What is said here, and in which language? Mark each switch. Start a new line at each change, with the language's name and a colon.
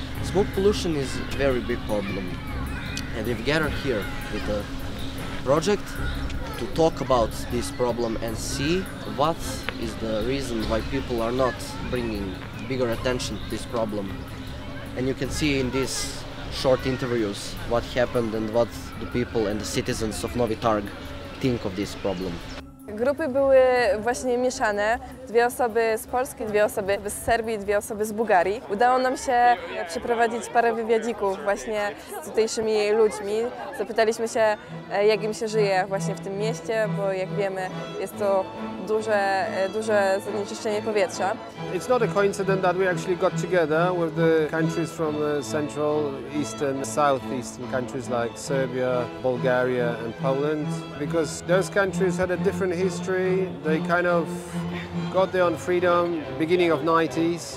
English: Smoke pollution is a very big problem. And we've gathered here with the project to talk about this problem and see what is the reason why people are not bringing bigger attention to this problem. And you can see in these short interviews what happened and what the people and the citizens of Novi Targ think of this problem?
Polish: Grupy były właśnie mieszane. Dwie osoby z Polski, dwie osoby z Serbii, dwie osoby z Bułgarii. Udało nam się przeprowadzić parę wywiadzików właśnie z tutejszymi ludźmi. Zapytaliśmy się, jak im się żyje właśnie w tym mieście, bo jak wiemy, jest to duże zanieczyszczenie powietrza.
English: It's not a coincidence that we actually got together with the countries from the central, eastern, southeastern countries like Serbia, Bulgaria and Poland, because those countries had a different history. They kind of got their own freedom beginning of 90s.